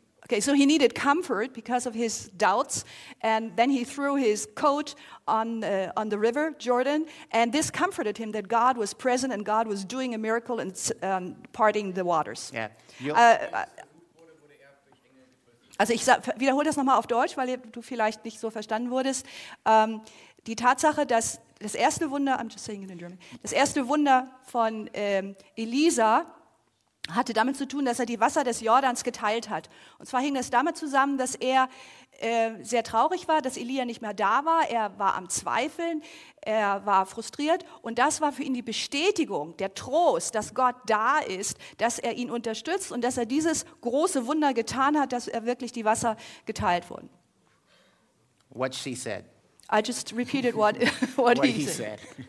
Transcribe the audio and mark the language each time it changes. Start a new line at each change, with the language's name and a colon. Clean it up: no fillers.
English: Okay, so he needed comfort because of his doubts, and then he threw his coat on the river Jordan, and this comforted him that God was present and God was doing a miracle and parting the waters. Yeah.
German: Also ich wiederhole das nochmal auf Deutsch, weil du vielleicht nicht so verstanden wurdest. Die Tatsache, dass das erste Wunder,
English: I'm just saying it in German,
German: das erste Wunder von Elisa hatte damit zu tun, dass er die Wasser des Jordans geteilt hat. Und zwar hing es damit zusammen, dass er sehr traurig war, dass Elia nicht mehr da war. Er war am Zweifeln, er war frustriert. Und das war für ihn die Bestätigung, der Trost, dass Gott da ist, dass er ihn unterstützt und dass er dieses große Wunder getan hat, dass er wirklich die Wasser geteilt wurden.
English: What she said. I just repeated what he said.